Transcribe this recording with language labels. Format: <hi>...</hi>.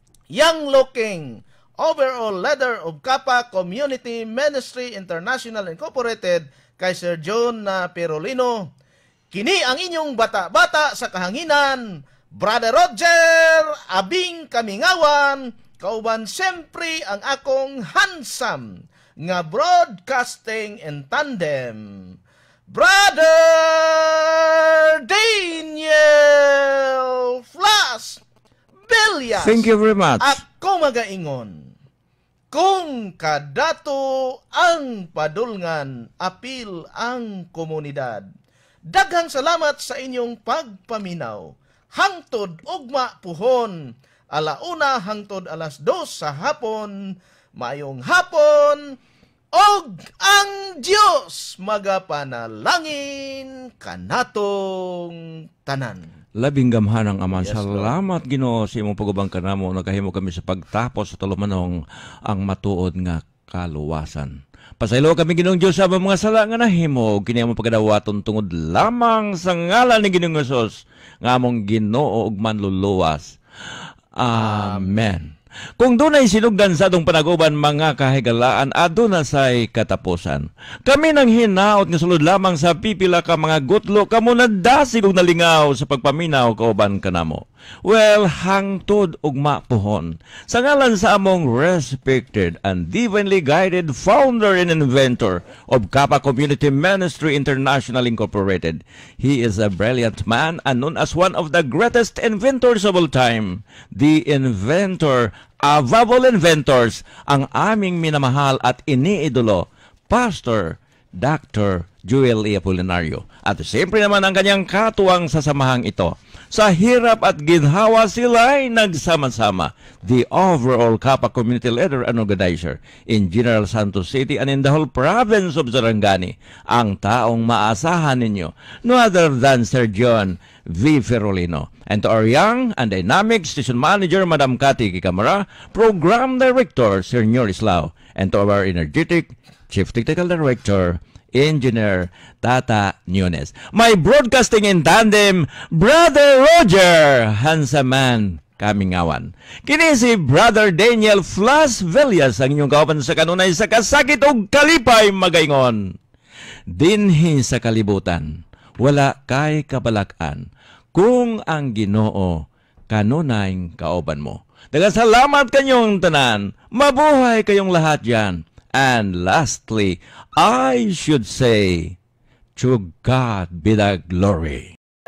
<en>young looking overall leader of</en> <ceb>Kapa Community Ministry International Incorporated kay Sir John Perolino, kini ang inyong bata-bata sa kahanginan, Brother Roger, abing kamingawan, kauban sempre ang akong handsome nga broadcasting in tandem, Brother Daniel Flash Villas.</ceb> <en>Thank you very much.</en> <ceb>Ako magaingon, kung kadato ang padulngan, apil ang komunidad. Daghang salamat sa inyong pagpaminaw. Hangtod ugma puhon, alauna hangtod alas dos sa hapon, mayong hapon, og ang Diyos magapanalangin kanatong tanan. Labing gamhan ang Ama, yes, salamat Ginoo sa imong pagubang kanamo, nagahimo kami sa pagtapos sa tulumanong ang matuod nga kaluwasan. Pasaylo kami Ginoong Diyos sa mga sala nga nahimo, kini ang pagadawaton tungod lamang sa ngalan ni Ginoong Hesus nga among Ginoo ug manluluwas. Amen. Kung dunay sinugdan sa atong panaguban mga kahigalaan, aduna say katapusan. Kami nang hinaot nga sulod lamang sa pipila ka mga gutlo, kamo na dasig ug nalingaw sa pagpaminaw kauban kanamo. Well, hangtod ug mapuhon.</ceb> <en>Sa ngalan sa among respected and divinely guided founder and inventor of Kapa Community Ministry International Incorporated, he is a brilliant man and known as one of the greatest inventors of all time, the inventor of all inventors,</en> <tl>ang aming minamahal at iniidolo, Pastor Dr. Joel Apolinario. At siyempre naman ang kanyang katuwang sasamahang ito. Sa hirap at ginhawa sila'y nagsama-sama.</tl> <en>The overall Kapa Community Leader and Organizer in General Santos City and in the whole province of Zarangani.</en> <tl>Ang taong maasahan ninyo,</tl> <en>no other than</en> <tl>Sir John V. Ferolino.</tl> <en>And to our young and dynamic Station Manager, Madam Cathy Kikamara, Program Director, Sir Nyoris Lau. And to our energetic Chief Technical Director, Engineer Tata Nunes. My broadcasting in tandem, Brother Roger Hansaman Kamingawan.</en> <ceb>Kini si Brother Daniel Flas Velias ang inyong kaupan sa kanunay sa kasakit o kalipay magaingon. Dinhi sa kalibutan, wala kay kabalak-an kung ang Ginoo kanunay kauban mo. Dagan salamat kanyong tanan,</ceb> <tl>mabuhay kayong lahat dyan.</tl> <en>And lastly, I should say, to God be the glory.</en>